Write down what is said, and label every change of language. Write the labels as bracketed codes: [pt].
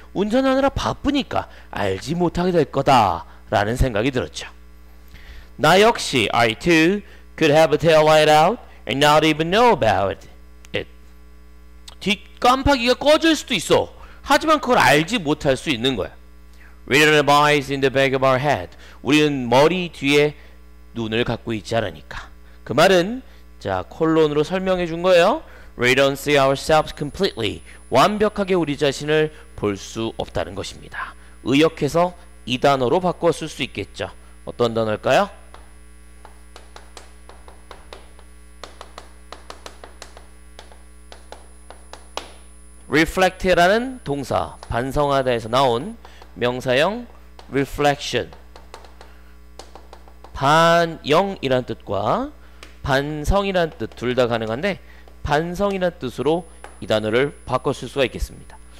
[ko] 운전하느라 바쁘니까 알지 못하게 될 거다 라는 생각이 들었죠. 나 역시 [en] I too could have a tail light out and not even know about it. [ko] 뒷깜빡이가 꺼질 수도 있어. 하지만 그걸 알지 못할 수 있는 거야. [en] We don't have eyes in the back of our head. [ko] 우리는 머리 뒤에 눈을 갖고 있지 않으니까. 그 말은 자 콜론으로 설명해 준 거예요. [en] We don't see ourselves completely. [ko] 완벽하게 우리 자신을 볼 수 없다는 것입니다. 의역해서 이 단어로 바꿨을 수 있겠죠. 어떤 단어일까요? 리플렉트라는 동사, 반성하다에서 나온 명사형 reflection, 반영이란 뜻과 반성이란 뜻 둘 다 가능한데 반성이란 뜻으로 이 단어를 바꿨을 수가 있겠습니다.